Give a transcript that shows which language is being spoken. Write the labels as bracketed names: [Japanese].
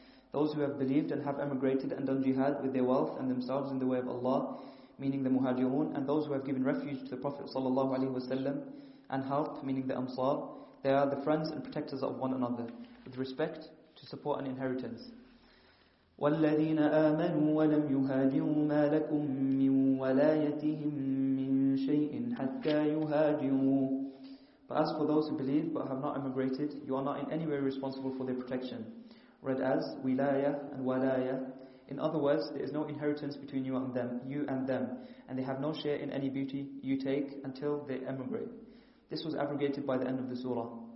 [English] Those who have believed and have emigrated and done jihad with their wealth and themselves in the way of Allah, meaning the muhajirun, and those who have given refuge to the Prophet [Arabic] sallallahu alaihi wasallam [English] and help, meaning the ansar, they are the friends and protectors of one another with respect to support and inheritance. [Arabic] والذين آمنوا ولم يهاجروا ما لكم من ولايتهم من شيء حتى يهاجروا. [English] But as for those who believe but have not emigrated, you are not in any way responsible for their protection. Read as wilaya and walaya. In other words, there is no inheritance between you and them, and they have no share in any booty you take until they emigrate. This was abrogated by the end of the surah.